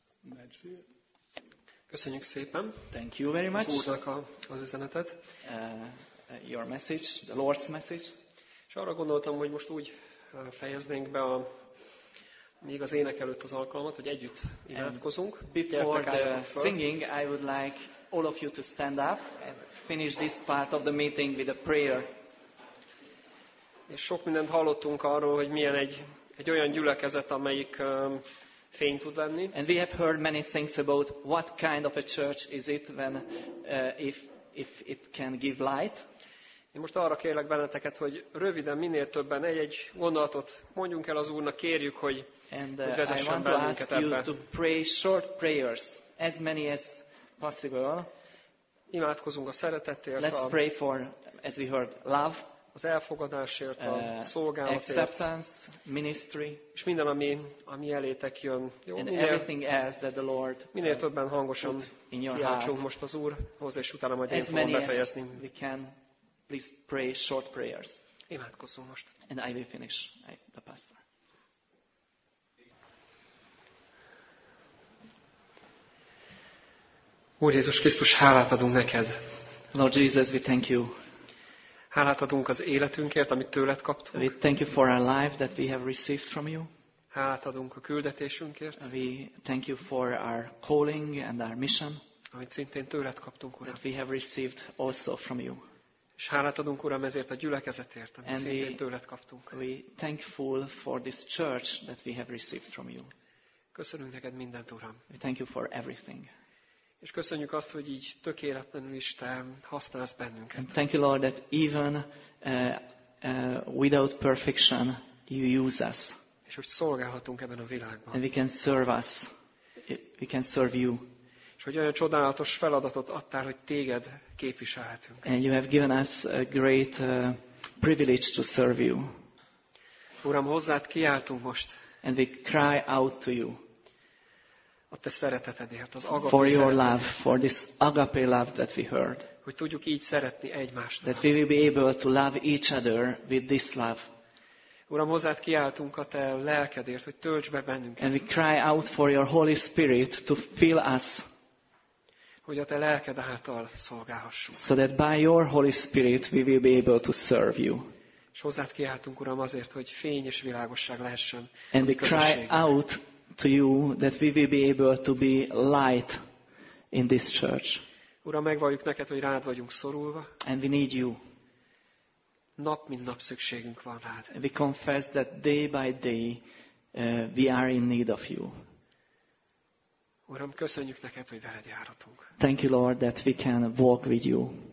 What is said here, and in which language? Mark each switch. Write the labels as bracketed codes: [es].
[en] And that's it. [hu] Köszönjük szépen. [en] Thank you very much. [hu] Az Úrnak az üzenetet. [en] Your message, the Lord's message. [hu] És arra gondoltam, hogy most úgy fejeznénk be a még az ének előtt az alkalmat, hogy együtt imádkozunk. [en] Before the singing, I would like all of you to stand up and finish this part of the meeting with a prayer. [hu] És sok mindent hallottunk arról, hogy milyen egy olyan gyülekezet, amelyik fény tud lenni. [en] And we have heard many things about what kind of a church is it when if it can give light. [hu] Én most arra kérlek benneteket, hogy röviden minél többen egy-egy gondolatot mondjunk el az Úrnak, kérjük, hogy vezessen bennünket ebbe. [en] And I want to ask you to pray short prayers, as many as possible. [hu] Imádkozunk a szeretetért. [en] Let's pray for, as we heard, love. [hu] Az elfogadásért, a szolgálatért. [en] Acceptance, ministry. [hu] És minden, ami elétek jön. [en] Jó, and minél, everything else that the Lord [hu] minél többen hangosan kiáltsunk most az Úrhoz, és utána majd [en] as [hu] én fogom befejezni. [en] As we can, please pray short prayers. [hu] Imádkozzunk most. [en] And I will finish, the pastor. [hu] Úr Jézus Krisztus, hálát adunk neked. [en] Lord Jesus, we thank you. [hu] Hálát adunk az életünkért, amit tőled kaptunk. [en] We thank you for our life that we have received from you. [hu] Hálát adunk a küldetésünkért. [en] We thank you for our calling and our mission. [hu] Amit szintén tőled kaptunk, Uram. [en] That we have received also from you. [hu] És hálát adunk, Uram, ezért a gyülekezetért, amit szintén tőled kaptunk. [en] We thankful for this church that we have received from you. [hu] Köszönünk neked mindent, Uram. [en] We thank you for everything. [hu] És köszönjük azt, hogy így tökéletlenül is te használsz bennünket. [en] And thank you, Lord, that even without perfection, you use us. [hu] És hogy szolgálhatunk ebben a világban. [en] And we can serve us. We can serve you. [hu] És hogy olyan csodálatos feladatot adtál, hogy téged képviselhetünk. [en] And you have given us a great privilege to serve you. [hu] Uram, hozzád kiáltunk most. [en] And we cry out to you. [hu] A te szeretetedért, az agapé [en] for your love, for this agape love that we heard. [hu] Hogy tudjuk így szeretni egymást. [en] That we will be able to love each other with this love. [hu] Uram, hozzád kiáltunk a te lelkedért, hogy tölts be bennünket. [en] And we cry out for your Holy Spirit to fill us. [hu] Hogy a te lelked által szolgálhassunk. [en] So that by your Holy Spirit we will be able to serve you. [hu] És hozzád kiáltunk, Uram, azért, hogy fény és világosság lehessen. [en] And we cry out to you that we will be able to be light in this church. [hu] Uram, megvalljuk neked, hogy rád vagyunk szorulva. [en] And we need you. [hu] Nap mint nap szükségünk van rád. [en] We confess that day by day we are in need of you. [hu] Uram, köszönjük neked, hogy veled járhatunk. [en] Thank you, Lord, that we can walk with you.